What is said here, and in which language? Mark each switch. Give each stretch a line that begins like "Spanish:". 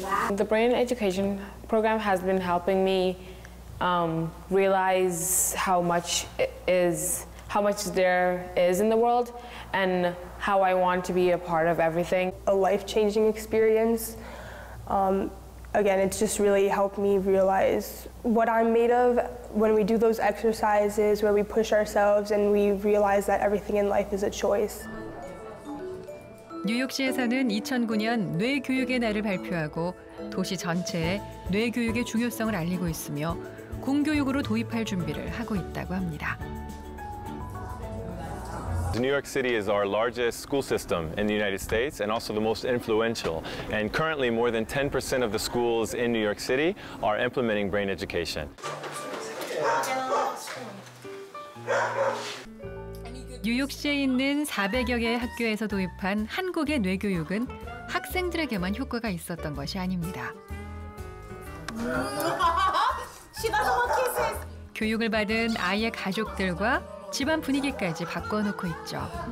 English: The brain education program has been helping me realize how much there is in the world and how I want to be a part of everything. A life-changing experience. Again, it's just really helped me realize what I'm made of. When we do those exercises where we push ourselves and we realize that everything in life is a choice.
Korean: 뉴욕시에서는 2009년 뇌교육의 날을 발표하고 도시 전체에 뇌교육의 중요성을 알리고 있으며 공교육으로 도입할 준비를 하고 있다고 합니다.
English: New York City is our largest school system in the United States and also the most influential. And currently more than 10% of the schools in New York City are implementing brain education.
Korean: 뉴욕시에 있는 400여 개의 학교에서 도입한 한국의 뇌교육은 학생들에게만 효과가 있었던 것이 아닙니다. 교육을 받은 아이의 가족들과 집안 분위기까지 바꿔놓고 있죠.